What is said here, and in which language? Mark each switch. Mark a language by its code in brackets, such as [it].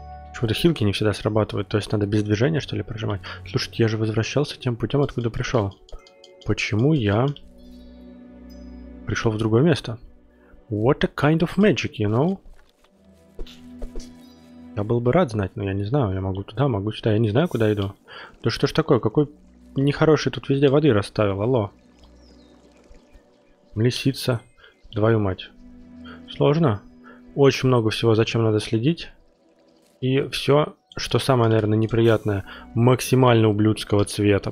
[ru] Почему-то хилки не всегда срабатывают. То есть надо без движения, что ли, прожимать? Слушайте, я же возвращался тем путем, откуда пришел. Почему я пришел в другое место? [en] What a kind of magic, you know? [ru] Я был бы рад знать, но я не знаю. Я могу туда, могу сюда. Я не знаю, куда иду. Да что ж такое? Какой нехороший тут везде воды расставил. Алло. Лисица. Твою мать. Сложно. Очень много всего, зачем надо следить. И все, что самое, наверное, неприятное, максимально ублюдского цвета.